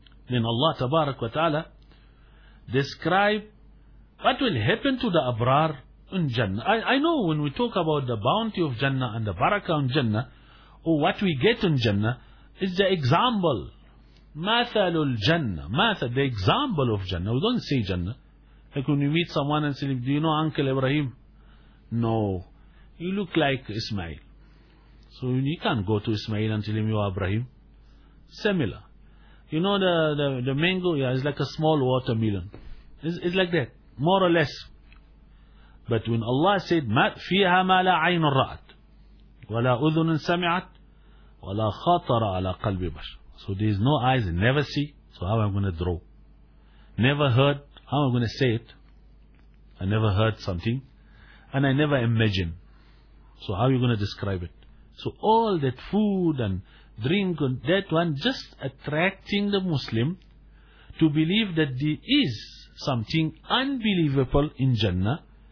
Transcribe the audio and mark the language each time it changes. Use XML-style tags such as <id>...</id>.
<en>Then Allah Tabarak wa Ta'ala describe what will happen to the Abrar in Jannah. I know when we talk about the bounty of Jannah and the barakah in Jannah, or what we get in Jannah, is the example.</en> <ar>مثل الجنة, مثل</ar> <en>the example of</en> <ar>جنة.</ar> <en>We don't say جنة. Like when you meet someone and say, do you know Uncle Ibrahim? No. You look like Ismail. So you can't go to Ismail and tell him you are Ibrahim. Similar. You know the mango? Yeah, it's like a small watermelon. It's like that. More or less. But when Allah said,</en> <ar>فيها ما لا عين رأت ولا أذن سمعت ولا خطر على قلب بشر.</ar> <en>So there is no eyes, never see. So how am I going to draw? Never heard. How am I going to say it? I never heard something. And I never imagine. So how are you going to describe it? So all that food and drink, and that one just attracting the Muslim to believe that there is something unbelievable in Jannah.</en>